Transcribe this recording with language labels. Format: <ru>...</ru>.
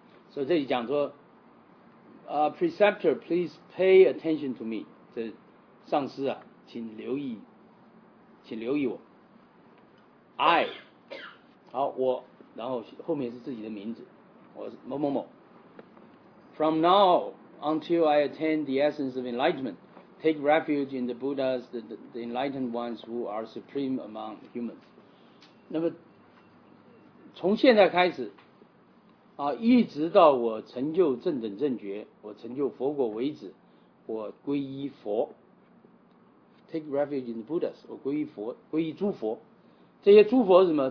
<zh>所以这里讲说</zh> <en>preceptor please pay attention to me，</en> <zh>这上司啊请留意我。 I 好我，然后后面是自己的名字，我是某某某。</zh> <en>From now until I attain the essence of enlightenmentTake refuge in the Buddhas, the enlightened ones who are supreme among humans.</en> <zh>那么从现在开始啊，一直到我成就正等正觉，我成就佛果为止，我皈依佛。</zh> <en>Take refuge in the Buddhas,</en> <zh>我皈依佛，皈依诸佛。这些诸佛是什么？</zh>